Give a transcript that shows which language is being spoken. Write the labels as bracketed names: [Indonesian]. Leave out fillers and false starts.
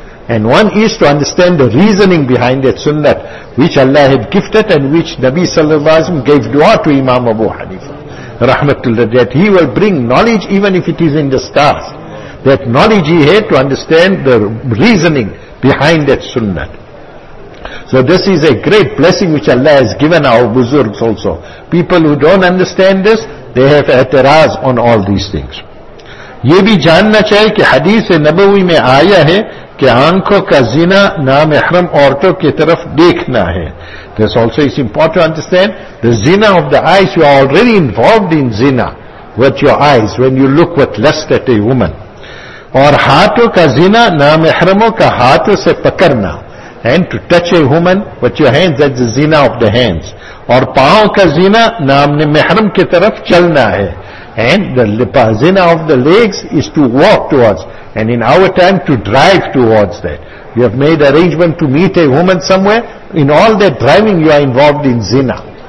[English] And one is to understand the reasoning behind that sunnat, which Allah had gifted, and which Nabi sallallahu alayhi wa sallam gave dua to Imam Abu Hanifa, rahmatullah, that he will bring knowledge even if it is in the stars. That knowledge he had to understand the reasoning behind that sunnat. So this is a great blessing which Allah has given our buzurgs also. People who don't understand this, they have ateraz on all these things. [Urdu] یہ بھی جاننا چاہے کہ حدیث نبوی میں آیا ہے کہ آنکھوں کا زنا نامحرم عورتوں کی طرف دیکھنا ہے. [English] This also is important to understand. The zina of the eyes, you are already involved in zina with your eyes when you look with lust at a woman. [Urdu] اور ہاتھوں کا زنا نامحرموں کا ہاتھوں سے پکڑنا. [English] And to touch a woman with your hands, that's the zina of the hands. [Urdu] اور پاؤں کا زنا نامحرم کی طرف چلنا ہے. [English] And the zina of the legs is to walk towards, and in our time to drive towards that. You have made arrangement to meet a woman somewhere, in all that driving you are involved in zina.